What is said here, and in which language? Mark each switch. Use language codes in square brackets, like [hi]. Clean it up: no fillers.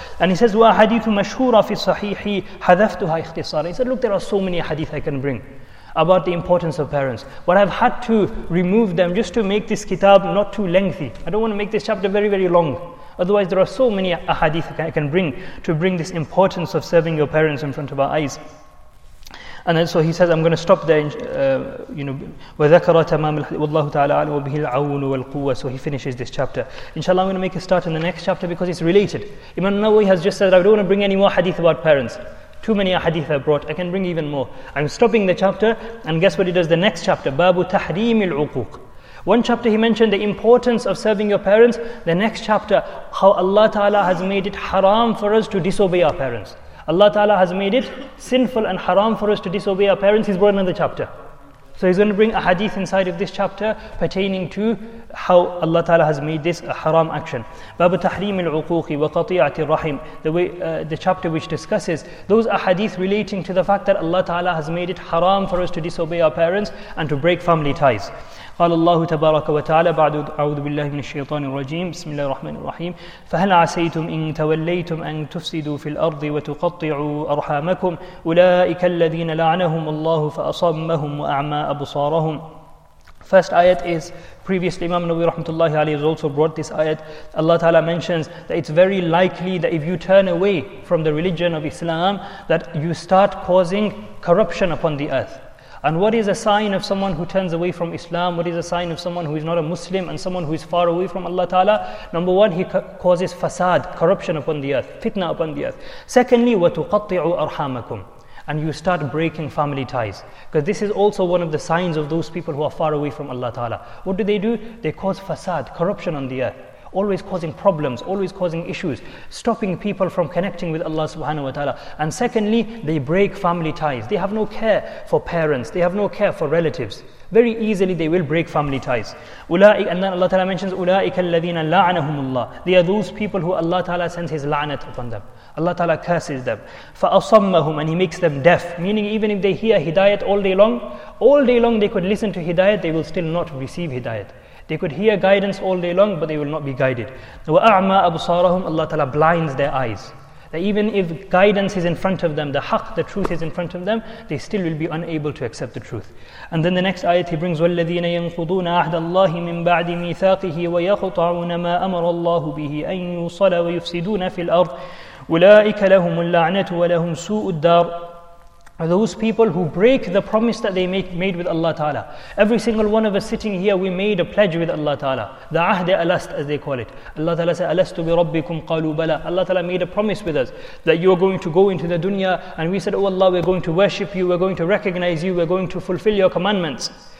[en] And he says, [ar] wa hadithu mashhura fi sahihi hadaftuha ikhtisara. [en] He said, look, there are so many hadith I can bring about the importance of parents. But I've had to remove them just to make this kitab not too lengthy. I don't want to make this chapter very, very long. Otherwise, there are so many ahadith I can bring to bring this importance of serving your parents in front of our eyes. And then so he says, I'm going to stop there. [ar] وَذَكَرَ تَمَامِ الْحَدِيثِ وَاللَّهُ تَعَالَى عَلَى وَبِهِ الْعَوْنُ وَالْقُوَّةِ. [en] So he finishes this chapter. Inshallah, I'm going to make a start in the next chapter because it's related. Imam Nawawi has just said, I don't want to bring any more hadith about parents. Too many ahadith I've brought. I can bring even more. I'm stopping the chapter. And guess what he does? The next chapter, [ar] بَابُ تَحْرِيمِ الْعُقُوقِ. [en] One chapter he mentioned the importance of serving your parents. The next chapter, how Allah Ta'ala has made it haram for us to disobey our parents. Allah Ta'ala has made it sinful and haram for us to disobey our parents. He's brought another chapter. So he's going to bring a hadith inside of this chapter pertaining to how Allah Ta'ala has made this a haram action. [ar] Babu tahreem al-uquqi wa qati'ati rahim. [en] The chapter which discusses those ahadith relating to the fact that Allah Ta'ala has made it haram for us to disobey our parents and to break family ties. [ar] قال الله تبارك وتعالى بعد أعوذ بالله من الشيطان الرجيم بسم الله الرحمن الرحيم فهل عسيتم إن توليتم أن تفسدوا في الأرض وتقطعوا أرحامكم أولئك الذين لعنهم الله فأصمهم وأعمى أبصارهم. [en] First ayat is, previously Imam Nawawi rahmatullahi alayhi has also brought this ayat. Allah Ta'ala mentions that it's very likely that if you turn away from the religion of Islam that you start causing corruption upon the earth. And what is a sign of someone who turns away from Islam? What is a sign of someone who is not a Muslim and someone who is far away from Allah Ta'ala? Number one, he causes fasad, corruption upon the earth, fitna upon the earth. Secondly, [ar] وَتُقَطِّعُوا أَرْحَامَكُمْ. [en] And you start breaking family ties. Because this is also one of the signs of those people who are far away from Allah Ta'ala. What do? They cause fasad, corruption on the earth. Always causing problems, always causing issues, stopping people from connecting with Allah subhanahu wa ta'ala. And secondly, they break family ties. They have no care for parents. They have no care for relatives. Very easily they will break family ties. And then Allah ta'ala mentions, [ar] أُولَٰئِكَ الَّذِينَ لَعَنَهُمُ اللَّهِ. [en] They are those people who Allah ta'ala sends his la'nat upon them. Allah ta'ala curses them. [ar] فَأَصَمَّهُمْ. [en] And he makes them deaf. Meaning even if they hear hidayat all day long they could listen to hidayat, they will still not receive hidayat. They could hear guidance all day long, but they will not be guided. [ar] وَأَعْمَى أَبْصَارَهُمْ. [en] Allah Ta'ala blinds their eyes. That even if guidance is in front of them, the haq, the truth is in front of them, they still will be unable to accept the truth. And then the next ayat he brings, [ar] وَالَّذِينَ يَنْقُضُونَ أَحْدَ اللَّهِ مِنْ بَعْدِ مِيثَاقِهِ وَيَخُطَعُونَ مَا أَمَرَ اللَّهُ بِهِ أَنْ يُصَلَ وَيُفْسِدُونَ فِي الْأَرْضِ أُولَٰئِكَ لَهُمُ اللَّعْنَةُ وَلَهُمْ سُوءُ الدَّارِ. [en] Those people who break the promise that they made with Allah Ta'ala. Every single one of us sitting here, we made a pledge with Allah Ta'ala. The Ahd Alast, as they call it. Allah Ta'ala said, [ar] Alastu bi Rabbikum qalu bala. [en] Allah Ta'ala made a promise with us that you are going to go into the dunya and we said, oh Allah, we're going to worship you, we're going to recognize you, we're going to fulfill your commandments.